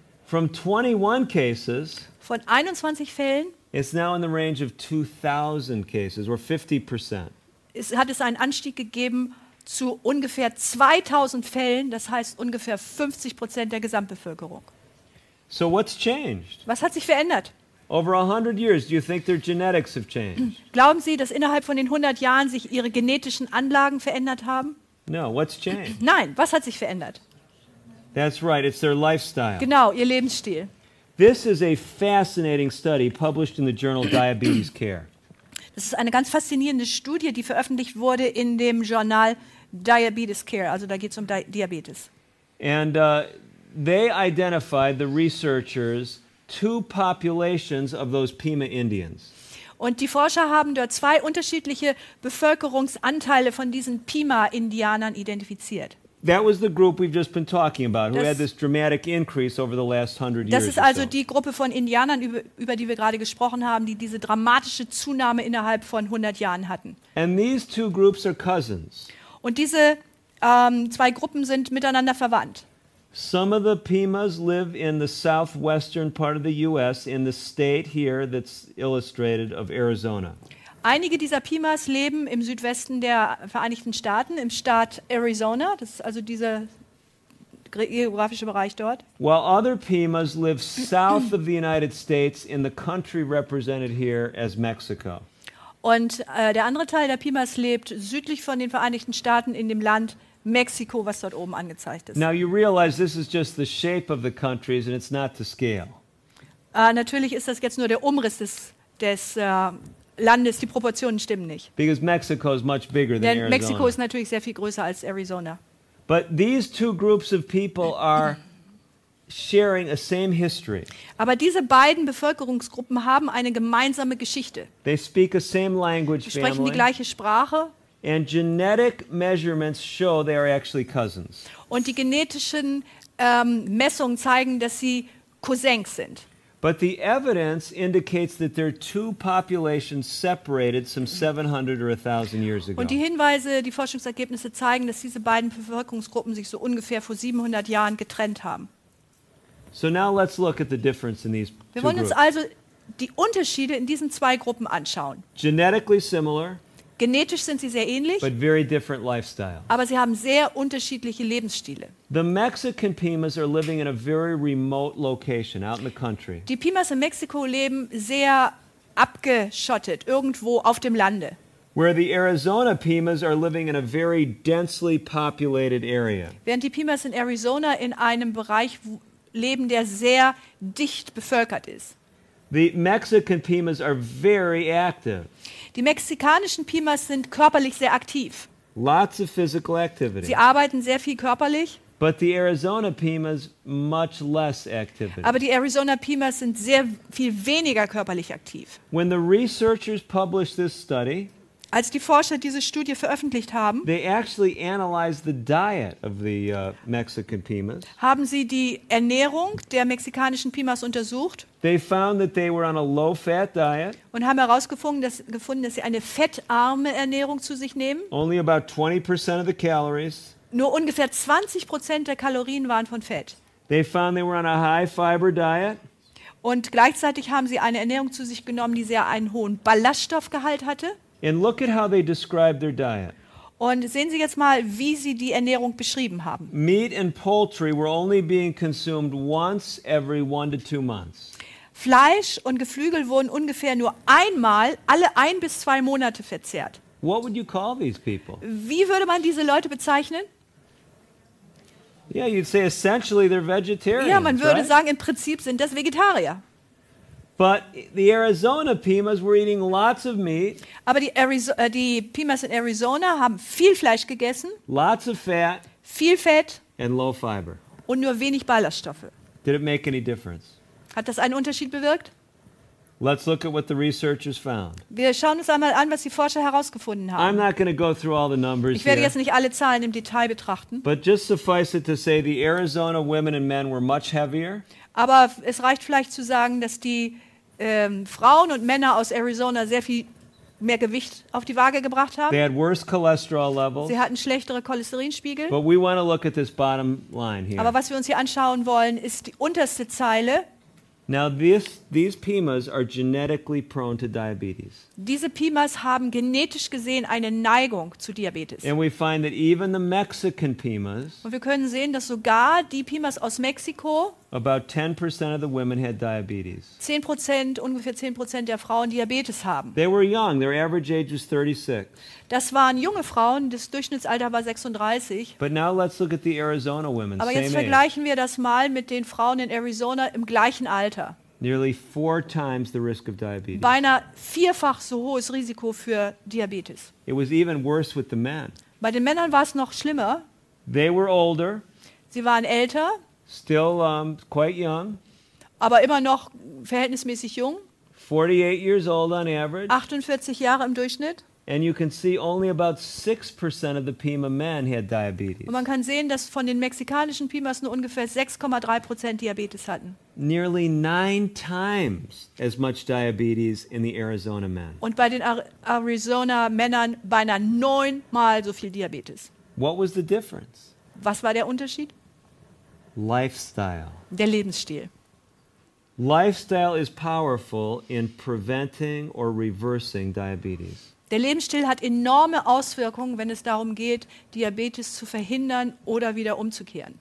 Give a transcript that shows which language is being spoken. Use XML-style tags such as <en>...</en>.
<en>From 21 cases.</en> <de>Von 21 Fällen.</de> <en>It's now in the range of 2,000 cases, or 50%.</en> <de>Es hat es einen Anstieg gegeben zu ungefähr 2,000 Fällen, das heißt ungefähr 50% der Gesamtbevölkerung.</de> <en>So what's changed?</en> <de>Was hat sich verändert?</de> <en>Over 100 years, do you think their genetics have changed?</en> <de>Glauben Sie, dass innerhalb von den 100 Jahren sich ihre genetischen Anlagen verändert haben?</de> <en>No, what's changed?</en> <de>Nein, was hat sich verändert?</de> <en>That's right, it's their lifestyle.</en> <de>Genau, ihr Lebensstil.</de> <en>This is a fascinating study published in the journal Diabetes Care.</en> <de>Das ist eine ganz faszinierende Studie, die veröffentlicht wurde in dem Journal Diabetes Care. Also da geht's um Diabetes.</de> <en>And they identified the researchers two populations of those Pima Indians.</en> <de>Und die Forscher haben dort zwei unterschiedliche Bevölkerungsanteile von diesen Pima Indianern identifiziert.</de> <en>That was the group we've just been talking about, who had this dramatic increase over the last 100 years.</en> <de>Das ist also die Gruppe von Indianern, über die wir gerade gesprochen haben, die diese dramatische Zunahme innerhalb von 100 Jahren hatten.</de> <en>And these two groups are cousins.</en> <de>Und diese zwei Gruppen sind miteinander verwandt.</de> <en>Some of the Pimas live in the southwestern part of the US in the state here that's illustrated of Arizona.</en> <de>Einige dieser Pimas leben im Südwesten der Vereinigten Staaten, im Staat Arizona, das ist also dieser geografische Bereich dort.</de> <en>While other Pimas live south of the United States in the country represented here as Mexico.</en> <de>Und der andere Teil der Pimas lebt südlich von den Vereinigten Staaten in dem Land Mexiko, was dort oben angezeigt ist.</de> <en>Now you realize this is just the shape of the countries and it's not to scale.</en> <de>Natürlich ist das jetzt nur der Umriss des Landes, die Proportionen stimmen nicht.</de> <en>Because Mexico is much bigger than Arizona.</en> <de>Denn Mexiko ist natürlich sehr viel größer als Arizona.</de> <en>But these two groups of people are sharing a same history.</en> <de>Aber diese beiden Bevölkerungsgruppen haben eine gemeinsame Geschichte.</de> <en>They speak a same language family.</en> <de>Sprechen die gleiche Sprache.</de> <en>And genetic measurements show they are actually cousins.</en> <de>Und die genetischen Messungen zeigen, dass sie Cousins sind.</de> <en>But the evidence indicates that there are two populations separated some 700 or 1000 years ago.</en> <de>Und die Hinweise, die Forschungsergebnisse zeigen, dass diese beiden Bevölkerungsgruppen sich so ungefähr vor 700 Jahren getrennt haben.</de> <en>So now let's look at the difference in these two groups.</en> <de>Wir wollen uns also die Unterschiede in diesen zwei Gruppen anschauen.</de> <en>Genetically similar.</en> <de>Genetisch sind sie sehr ähnlich,</de> <en>but very different lifestyle.</en> <de>Aber sie haben sehr unterschiedliche Lebensstile.</de> <en>The Mexican Pimas are living in a very remote location out in the country.</en> <de>Die Pimas in Mexiko leben sehr abgeschottet, irgendwo auf dem Lande.</de> <en>Where the Arizona Pimas are living in a very densely populated area.</en> <de>Während die Pimas in Arizona in einem Bereich leben, der sehr dicht bevölkert ist.</de> <en>The Mexican Pimas are very active.</en> <de>Die mexikanischen Pimas sind körperlich sehr aktiv.</de> <en>Lots of physical activity.</en> <de>Sie arbeiten sehr viel körperlich.</de> <en>But the Arizona Pimas much less activity.</en> <de>Aber die Arizona Pimas sind sehr viel weniger körperlich aktiv.</de> <en>When the researchers published this study,</en> <de>als die Forscher diese Studie veröffentlicht haben,</de> <en>they actually analyzed the diet of the Mexican Pimas.</en> <de>Haben sie die Ernährung der mexikanischen Pimas untersucht?</de> <en>They found that they were on a low-fat diet.</en> <de>Und haben herausgefunden, dass sie eine fettarme Ernährung zu sich nehmen.</de> <en>Only about 20% of the calories.</en> <de>Nur ungefähr 20% der Kalorien waren von Fett.</de> <en>They found they were on a high-fiber diet.</en> <de>Und gleichzeitig haben sie eine Ernährung zu sich genommen, die sehr einen hohen Ballaststoffgehalt hatte.</de> <en>And look at how they describe their diet.</en> <de>Und sehen Sie jetzt mal, wie sie die Ernährung beschrieben haben.</de> <en>Meat and poultry were only being consumed once every 1 to 2 months.</en> <de>Fleisch und Geflügel wurden ungefähr nur einmal alle 1 bis 2 Monate verzehrt.</de> <en>What would you call these people?</en> <de>Wie würde man diese Leute bezeichnen?</de> <en>Yeah, you'd say essentially they're vegetarians.</en> <de>Ja, man würde</de> <en>right?</en> <de>sagen, im Prinzip sind das Vegetarier.</de> <en>But the Arizona Pimas were eating lots of meat.</en> <de>Aber die Pimas in Arizona haben viel Fleisch gegessen.</de> <en>Lots of fat.</en> <de>Viel Fett.</de> <en>And low fiber.</en> <de>Und nur wenig Ballaststoffe.</de> <en>Did it make any difference?</en> <de>Hat das einen Unterschied bewirkt?</de> <en>Let's look at what the researchers found.</en> <de>Wir schauen uns einmal an, was die Forscher herausgefunden haben.</de> <en>I'm not going to go through all the numbers.</en> <de>Ich werde</de> <en>here,</en> <de>jetzt nicht alle Zahlen im Detail betrachten.</de> <en>But just suffice it to say, the Arizona women and men were much heavier.</en> <de>Aber es reicht vielleicht zu sagen, dass die Frauen und Männer aus Arizona sehr viel mehr Gewicht auf die Waage gebracht haben.</de> <en>They had worse cholesterol levels.</en> <de>Sie hatten schlechtere Cholesterinspiegel.</de> <en>But we want to look at this bottom line here.</en> <de>Aber was wir uns hier anschauen wollen, ist die unterste Zeile.</de> <en>Now these Pimas are genetically prone to diabetes.</en> <de>Diese Pimas haben genetisch gesehen eine Neigung zu Diabetes.</de> <en>And we find that even the Mexican Pimas.</en> <de>Und wir können sehen, dass sogar die Pimas aus Mexiko.</de> <en>About 10% of the women had diabetes.</en> <de>ungefähr 10% der Frauen Diabetes haben.</de> <en>They were young. Their average age was 36.</en> <de>Das waren junge Frauen. Das Durchschnittsalter war 36.</de> <en>But now let's look at the Arizona women.</en> <de>Aber jetzt vergleichen wir das mal mit den Frauen in Arizona im gleichen Alter.</de> <en>Nearly 4 times the risk of diabetes.</en> <de>Beinahe vierfach so hohes Risiko für Diabetes.</de> <en>It was even worse with the men.</en> <de>Bei den Männern war es noch schlimmer.</de> <en>They were older.</en> <de>Sie waren älter.</de> <en>Still quite young.</en> <de>Aber immer noch verhältnismäßig jung.</de> <en>48 years old on average.</en> <de>48 Jahre im Durchschnitt.</de> <en>And you can see only about 6% of the Pima men had diabetes.</en> <de>Und man kann sehen, dass von den mexikanischen Pimas nur ungefähr 6,3% Diabetes hatten.</de> <en>Nearly 9 times as much diabetes in the Arizona men.</en> <de>Und bei den Arizona Männern beinahe 9-mal so viel Diabetes.</de> <en>What was the difference?</en> <de>Was war der Unterschied?</de> <en>Lifestyle.</en> <de>Der Lebensstil.</de> <en>Lifestyle is powerful in preventing or reversing diabetes.</en> <de>Der Lebensstil hat enorme Auswirkungen, wenn es darum geht, Diabetes zu verhindern oder wieder umzukehren.</de>